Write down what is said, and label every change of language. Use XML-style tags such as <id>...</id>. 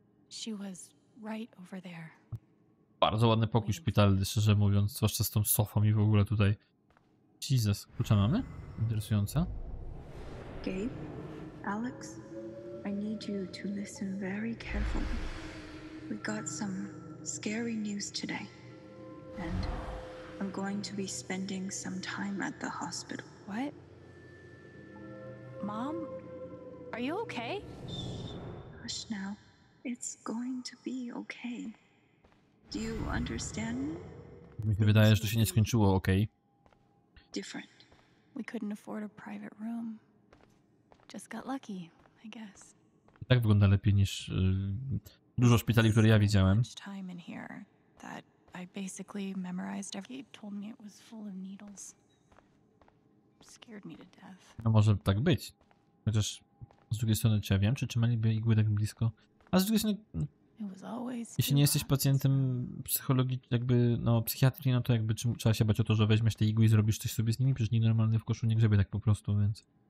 <en>She was right over there.</en> <pl>Bardzo ładny pokój szpitalny, szczerze mówiąc, zwłaszcza z tą sofą i w ogóle tutaj. Jesus, klucza mamy? Interesujące.</pl> <en>Gabe? Alex, I need you to listen very carefully. We got some scary news today. And I'm going to be spending some time at the hospital. What? Mom? Are you okay? Shh, hush now. It's going to be okay. Do you understand me?</en> <pl>Mi się wydaje, że to się nie skończyło, okay?</pl> <en>Different. We couldn't afford a private room. Just got lucky, I guess.</en> <pl>Tak wygląda lepiej niż dużo szpitali, które ja widziałem.</pl> <en>Time in here that I basically memorized. He told me it was full of needles. Scared me to death.</en> <pl>No może tak być. Chociaż z drugiej strony, czy ja wiem, czy trzymaliby igły tak blisko. A z drugiej strony,</pl> <en>it was always</en> <pl>jeśli nie jesteś pacjentem psychologicznym, jakby no psychiatry, no to jakby czy, trzeba się bać o to, że weźmiesz te igły i zrobisz coś sobie z nimi, przecież nienormalny w koszu nie grzebie tak po prostu, więc.</pl>